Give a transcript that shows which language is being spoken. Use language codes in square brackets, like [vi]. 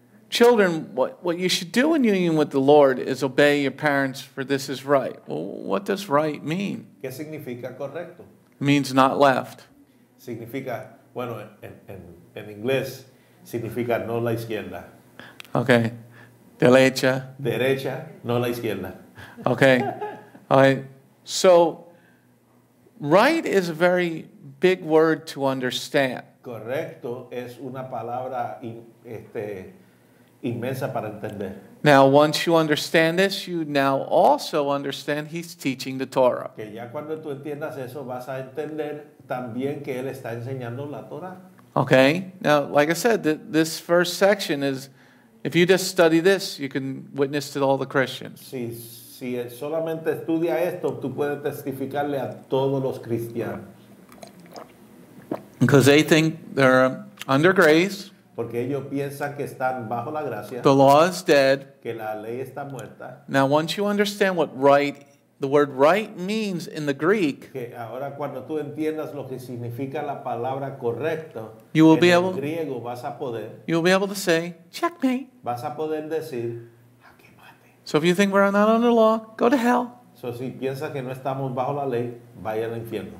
[en] Children, what you should do in union with the Lord is obey your parents, for this is right. Well, what does right mean? [es] ¿Qué significa correcto? [en] It means not left. [es] Significa, bueno, en inglés, significa no la izquierda. Okay. Derecha. Derecha, no la izquierda. [en] Okay. All right. So, right is a very big word to understand. [es] Correcto es una palabra inmensa para entender. [en] Now, once you understand this, you now also understand he's teaching the Torah. [es] Que ya cuando tú entiendas eso, vas a entender también que él está enseñando la Torah. [en] Okay. Now, like I said, this first section is, if you just study this, you can witness to all the Christians. [es] Si solamente estudia esto, tú puedes testificarle a todos los cristianos. [en] Because they think they're under grace. [es] Porque ellos piensan que están bajo la gracia. [en] The law is dead. [es] Que la ley está muerta. [en] Now, once you understand what right, the word right means in the Greek, [es] que ahora cuando tú entiendas lo que significa la palabra correcto, [en] you will be [es] en [en] able, [es] griego vas a poder, [en] you will be able to say, checkmate. [es] Vas a poder decir, jaque mate. [en] So if you think we're not under law, go to hell. [es] So si piensas que no estamos bajo la ley, vaya al infierno.